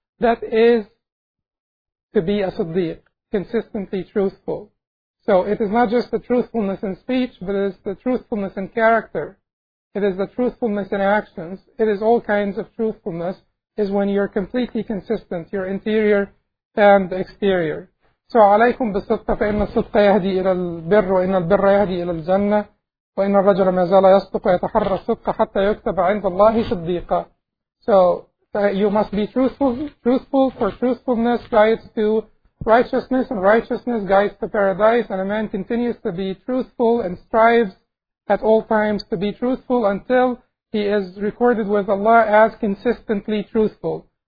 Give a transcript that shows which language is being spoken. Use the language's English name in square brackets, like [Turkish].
[English] That is to be a siddiq, consistently truthful. So it is not just the truthfulness in speech, but it is the truthfulness in character. It is the truthfulness in actions. It is all kinds of truthfulness, is when you're completely consistent, your interior and exterior. [Arabic] So عليكم بالصدق فإن الصدق يهدي إلى البر وإن البر يهدي إلى الجنة وإن الرجل ما زال يصدق ويتحرى الصدق حتى يكتب عند الله صديقا. [English] So you must be truthful, for truthfulness guides to righteousness, and righteousness guides to paradise, and a man continues to be truthful and strives at all times to be truthful until he is recorded with Allah as consistently truthful.